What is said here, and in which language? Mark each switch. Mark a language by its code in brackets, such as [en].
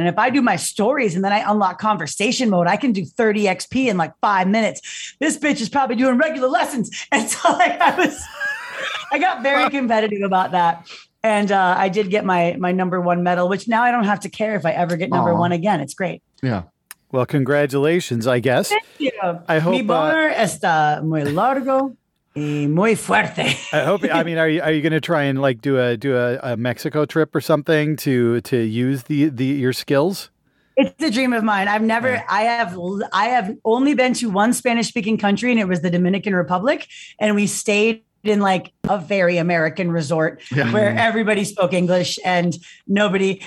[en] And if I do my stories and then I unlock conversation mode, I can do 30 XP in like 5 minutes. This bitch is probably doing regular lessons. And so I got very competitive about that. And I did get my number one medal, which now I don't have to care if I ever get number one again. It's great. Yeah. Well, congratulations, I guess. Thank you. I hope [es] mi bar está muy largo y muy fuerte. [en] I hope. I mean, are you going to try and like do a Mexico trip or something to use the your skills? It's a dream of mine. I've never, I have only been to one Spanish speaking country and it was the Dominican Republic. And we stayed in like a very American resort where everybody spoke English and nobody.